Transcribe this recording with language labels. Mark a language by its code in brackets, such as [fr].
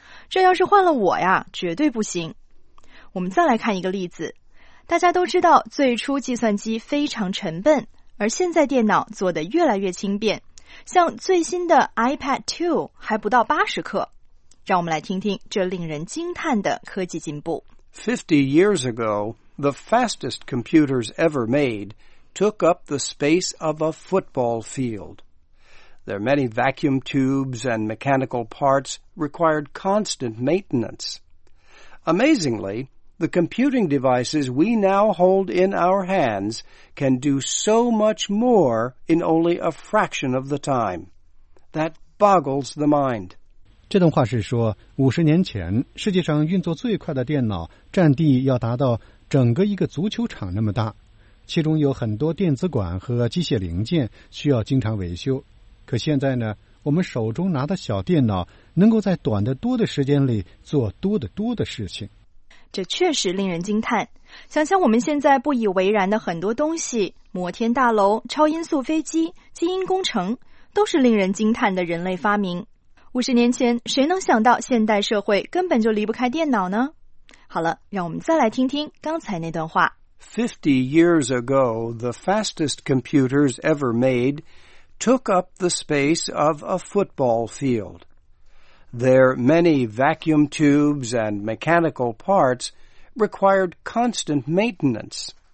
[zh] 这要是换了我呀，绝对不行。我们再来看一个例子。大家都知道，最初计算机非常沉笨，而现在电脑做得越来越轻便，像最新的 iPad 2还不到80克。让我们来听听这令人惊叹的科技进步。 [en] 50 years ago, the fastest computers ever made took up the space of a football field. Their many vacuum tubes and mechanical parts required constant maintenance. Amazingly, the computing devices we now hold in our hands can do so much more in only a fraction of the time. That boggles the mind. [zh] 这段话是说，50年前，世界上运作最快的电脑占地要达到整个一个足球场那么大，其中有很多电子管和机械零件需要经常维修。可现在呢，我们手中拿的小电脑能够在短得多的时间里做多得多的事情。这确实令人惊叹。想想我们现在不以为然的很多东西，摩天大楼、超音速飞机、基因工程，都是令人惊叹的人类发明。 50年前，谁能想到现代社会根本就离不开电脑呢？好了，让我们再来听听刚才那段话。 [en] 50 years ago, the fastest computers ever made took up the space of a football field. Their many vacuum tubes and mechanical parts required constant maintenance.